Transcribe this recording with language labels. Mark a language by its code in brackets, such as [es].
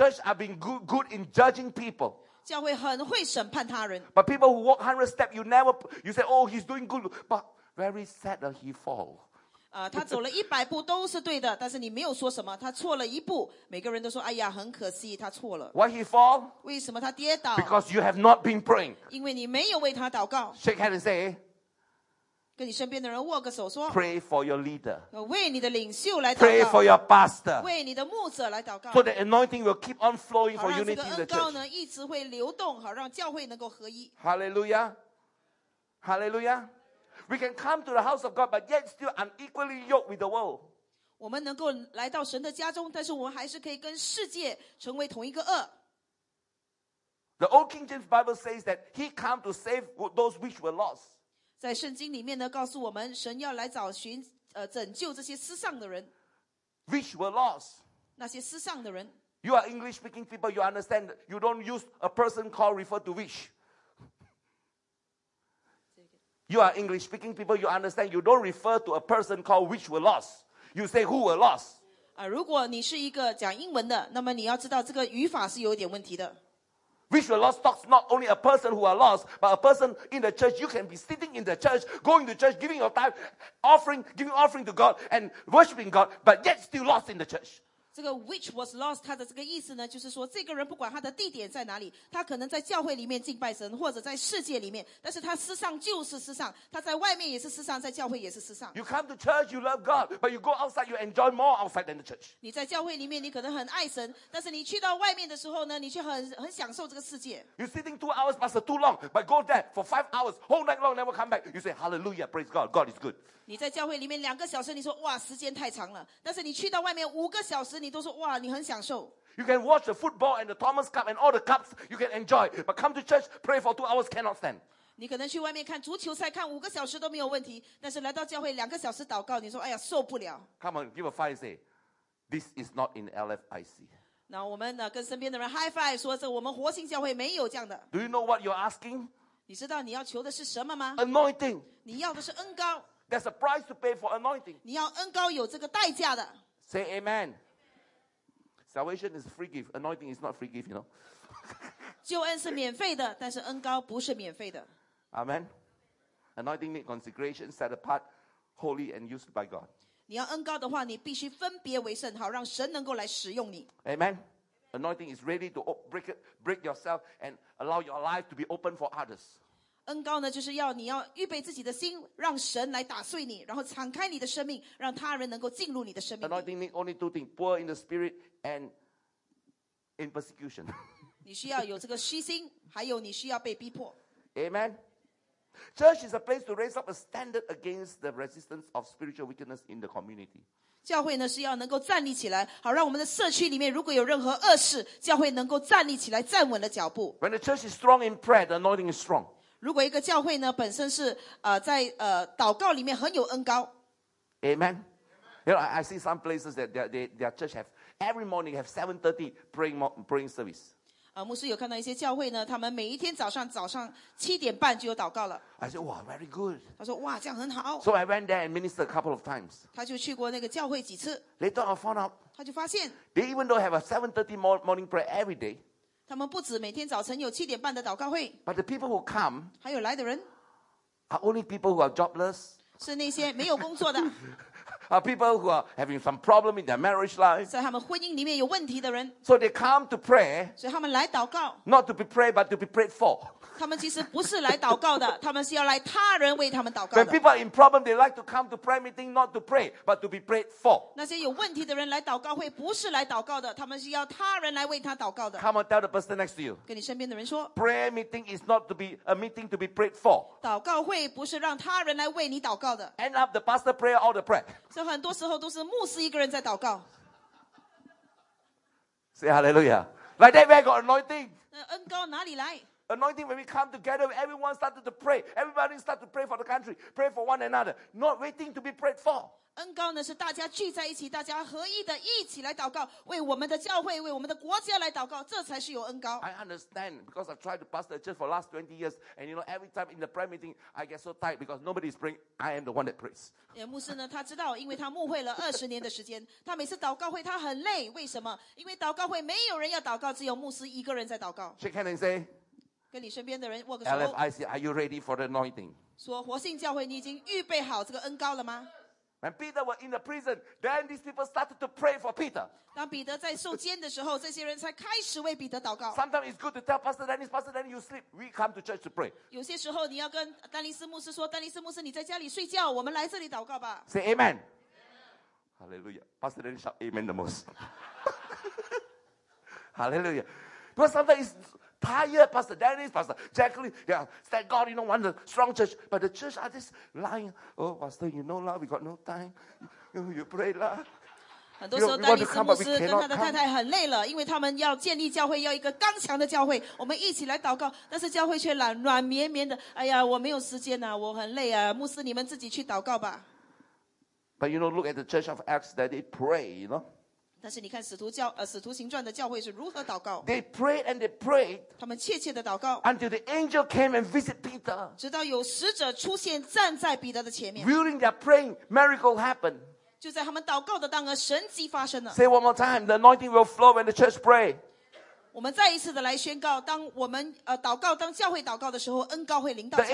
[en] Church have been good in judging people. [zh] 教会很会审判他人。 [en] But people who walk 100 steps, you say, oh, he's doing good, but very sad that he fall. [zh] 他走了100步都是对的，但是你没有说什么，他错了一步，每个人都说，哎呀，很可惜，他错了。 [en] Why he fall? [zh] 为什么他跌倒 [en] ？Because you have not been praying. [zh] 因为你没有为他祷告。 [en] Shake hands and say. [zh] 跟你身边的人握个手说 [en] Pray for your leader. [zh] 为你的领袖来祷告 [en] Pray for your pastor. [zh] 为你的牧者来祷告 [en] So the anointing will keep on flowing for unity in the church. [zh] 好让这个恩膏呢一直会流动好让教会能够合一 [en] Hallelujah. Hallelujah. We can come to the house of God but yet still unequally yoked with the world. [zh] 我们能够来到神的家中但是我们还是可以跟世界成为同一个轭 [en] The old King James Bible says that he came to save those which were lost. [zh] 在圣经里面呢告诉我们神要来找寻拯救这些失丧的人 [en] Which were lost [zh] 那些失丧的人 [en] You are English speaking people You understand You don't use a person called refer to which You are English speaking people You understand You don't refer to a person called which were lost You say who were lost [zh] 如果你是一个讲英文的那么你要知道这个语法是有点问题的 [en] Which were lost talks not only a person who are lost, but a person in the church. You can be sitting in the church, going to church, giving your time, offering, giving offering to God and worshiping God, but yet still lost in the church. [zh] 这个 [en] which was lost, [zh] 他的这个意思呢，就是说这个人不管他的地点在哪里，他可能在教会里面敬拜神，或者在世界里面，但是他失丧就是失丧，他在外面也是失丧，在教会也是失丧。 [en] You come to church, you love God, but you go outside, you enjoy more outside than the church. [zh] 你在教会里面，你可能很爱神，但是你去到外面的时候呢，你却很享受这个世界。 [en] You sitting 2 hours, pastor, too long, but go there for 5 hours, whole night long, never come back. You say hallelujah, praise God, God is good. [zh] 你在教会里面2个小时，你说哇，时间太长了。但是你去到外面5个小时，你都说哇，你很享受。 [en] You can watch the football and the Thomas Cup and all the cups you can enjoy, but come to church, pray for 2 hours, cannot stand. [zh] 你可能去外面看足球赛，看5个小时都没有问题。但是来到教会2个小时祷告，你说哎呀，受不了。 [en] Come on, give a five say, this is not in LFIC. [zh] 那我们呢，跟身边的人 [en] high five [zh] 说这我们活性教会没有这样的。 [en] Do you know what you're asking? [zh] 你知道你要求的是什么吗 [en] ？Anointing. [zh] 你要的是恩膏。 [en] There's a price to pay for anointing. [zh] 你要恩膏有这个代价的。 [en] Say amen. Salvation is free gift. Anointing is not free gift, you know. [zh] 救恩是免费的，但是恩膏不是免费的。 [en] Amen. Anointing need consecration, set apart, holy and used by God. [zh] 你要恩膏的话，你必须分别为圣，好让神能够来使用你。 [en] Amen. Anointing is ready to break it, break yourself and allow your life to be open for others. [zh] 恩膏呢，就是要你要预备自己的心，让神来打碎你，然后敞开你的生命，让他人能够进入你的生命。 [en] Anointing means only two things: poor in the spirit and in persecution. [zh] 你需要有这个虚心，还有你需要被逼迫。 [en] Amen. Church is a place to raise up a standard against the resistance of spiritual wickedness in the community. [zh] 教会呢是要能够站立起来，好让我们的社区里面如果有任何恶事，教会能够站立起来，站稳了脚步。 [en] When the church is strong in prayer, the anointing is strong. [zh] 如果一个教会呢本身是在祷告里面很有恩膏。 [en] Amen. You know, I see some places that their church have every morning have 7:30 praying service. [zh] 牧师有看到一些教会呢，他们每一天早上7:30就有祷告了。 [en] I said, "Wow, very good." [zh] 他说，哇，这样很好。 [en] So I went there and ministered a couple of times. [zh] 他就去过那个教会几次。 [en] Later, I found out. [zh] 他就发现 [en] they even though have a 7:30 morning prayer every day. [zh] 他们不止每天早晨有七点半的祷告会。 [en] But the people who come, [zh] 还有来的人 [en] are only people who are jobless. [zh] 是那些没有工作的。 [en] Are people who are having some problem in their marriage life. [zh] 在他们婚姻里面有问题的人。 [en] So they come to pray. [zh] 所以他们来祷告。 [en] Not to be prayed, but to be prayed for. [zh] 他们其实不是来祷告的，他们是要来他人为他们祷告的。 [en] When people are in problem, they like to come to prayer meeting not to pray, but to be prayed for. [zh] 那些有问题的人来祷告会不是来祷告的，他们是要他人来为他祷告的。 [en] Come on, tell the person next to you. [zh] 跟你身边的人说。 [en] Prayer meeting is not to be a meeting to be prayed for. [zh] 祷告会不是让他人来为你祷告的。 [en] End up the pastor prayer all the prayer. [zh] 所以很多时候都是牧师一个人在祷告。 [en] Say hallelujah. Like that, where got anointing? [zh] 恩膏哪里来？ [en] Anointing when we come together, everyone started to pray. Everybody started to pray for the country, pray for one another, not waiting to be prayed for. [zh] 恩膏呢是大家聚在一起，大家合一的一起来祷告，为我们的教会，为我们的国家来祷告，这才是有恩膏。 [en] I understand because I've tried to pastor the church for the last 20 years, and you know every time in the prayer meeting, I get so tired because nobody is praying. I am the one that prays. [zh] 牧师呢，他知道，因为他牧会了20年的时间，他每次祷告会他很累，为什么？因为祷告会没有人要祷告，只有牧师一个人在祷告。 [en] Shake hands and say. [zh] 跟你身边的人握个手。 [en] LFIC, are you ready for the anointing? [zh] 说活信教会，你已经预备好这个恩膏了吗？ [en] When Peter was in the prison, then these people started to pray for Peter. [zh] 当彼得在受监的时候，这些人才开始为彼得祷告。 [en] Sometimes it's good to tell Pastor Dennis, Pastor Dennis, you sleep. We come to church to pray. 有些时候你要跟丹尼斯牧师说，丹尼斯牧师，你在家里睡觉，我们来这里祷告吧。 Say Amen. Hallelujah. Pastor Dennis shout Amen the most. Hallelujah. Because sometimes it's... Tired, Pastor Dennis, Pastor Jacqueline, yeah, thank God, you know, one of the strong church, but the church are just lying. Oh, Pastor, you know, lah, we got no time. You pray, lah. [zh] 很多时候，丹尼斯牧师跟他的太太很累了，因为他们要建立教会，要一个刚强的教会。我们一起来祷告，但是教会却软绵绵的。哎呀，我没有时间啊，我很累啊，牧师，你们自己去祷告吧。 [en] But you know, look at the Church of Acts that they pray, you know. [zh] 但是你看使徒行传的教会是如何祷告。 [en] They prayed and they prayed. [zh] 他们切切的祷告。 [en] Until the angel came and visited Peter. [zh] 直到有使者出现站在彼得的前面。 [en] During their praying, miracle happened. [zh] 就在他们祷告的当儿，神迹发生了。 [en] Say one more time, the anointing will flow when the church pray. [zh] 我们再一次的来宣告，当我们祷告，当教会祷告的时候，恩膏会临到教会。